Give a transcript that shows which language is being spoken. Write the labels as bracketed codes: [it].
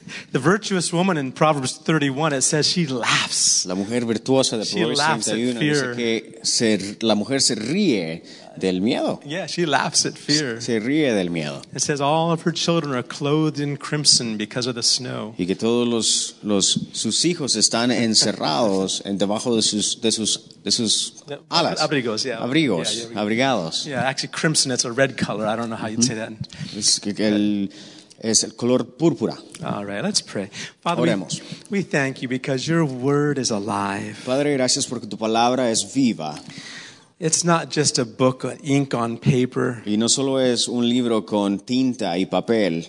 [en] The virtuous woman in Proverbs 31, it says she laughs. [es] La mujer virtuosa de Proverbios 31 dice que la mujer se ríe del miedo. [en] Yeah, she laughs at fear. [es] Se ríe del miedo. [en] It says all of her children are clothed in crimson because of the snow. [es] Y que todos sus hijos están encerrados en debajo de sus alas. Abrigos, yeah. Abrigos, yeah, yeah, abrigados. [en] Yeah, actually crimson, it's a red color. I don't know how you'd say that. [es] Es que es el color púrpura. [en] All right, let's pray. Father, [es] oremos. [en] We thank you because your word is alive. [es] Padre, gracias porque tu palabra es viva. [en] It's not just a book of ink on paper. [es] Y no solo es un libro con tinta y papel.